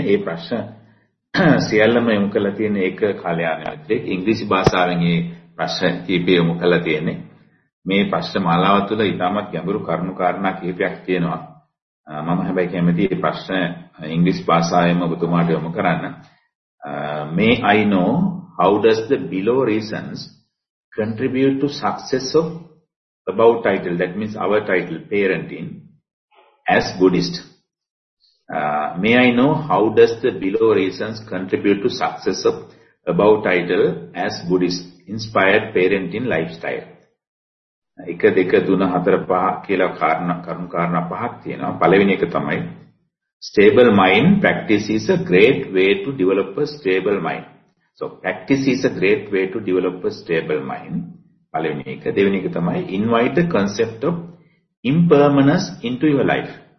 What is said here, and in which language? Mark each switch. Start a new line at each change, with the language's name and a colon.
Sinhala: ඒ ප්‍රශ්න සියල්ලම යොමු කරලා තියෙන එක කල්‍යාණයක්. ඉංග්‍රීසි භාෂාවෙන් ඒ ප්‍රශ්න කීපය යොමු කරලා තියෙන්නේ. මේ ප්‍රශ්න මාලාව තුළ ඉතාමත් ගැඹුරු කරුණු කාරණා කීපයක් තියෙනවා. මම හැබැයි කැමති ඒ ප්‍රශ්න ඉංග්‍රීසි භාෂාවෙන්ම ඔබතුමාට යොමු කරන්න. මේ
English: I know how does the below reasons contribute to success of about title, that means our title, parenting, as Buddhist. May I know how does the below reasons contribute to success of above title as Buddhist, inspired parenting lifestyle?
Sinhala: එක දෙක තුන හතර පහ කියලා කරුණු කාරණා පහක් තියෙනවා. පළවෙනි එක තමයි
English: stable mind practice is a great way to develop a stable mind. So practice is a great way to develop a stable mind.
Sinhala: පළවෙනි එක. දෙවෙනි එක තමයි
English: invite the concept of impermanence into your life.